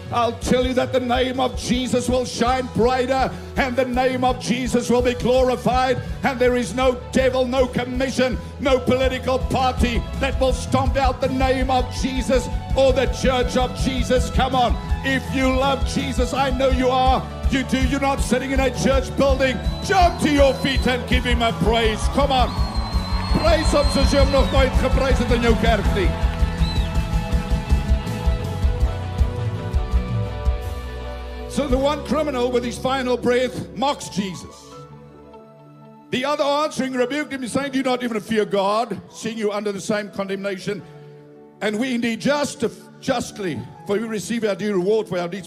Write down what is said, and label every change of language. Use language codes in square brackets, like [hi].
[en] I'll tell you that the name of Jesus will shine brighter and the name of Jesus will be glorified, and there is no devil, no commission, no political party that will stomp out the name of Jesus or the church of Jesus. Come on. If you love Jesus, I know you are. You do. You're not sitting in a church building. Jump to your feet and give him a praise. Come on. [af] Prys hom soos jy hom nog nooit geprys het in jou kerk nie. [en] So the one criminal with his final breath mocks Jesus. The other answering rebuked him, saying, "Do you not even fear God, seeing you under the same condemnation? And we indeed justly, for we receive our due reward for our deeds.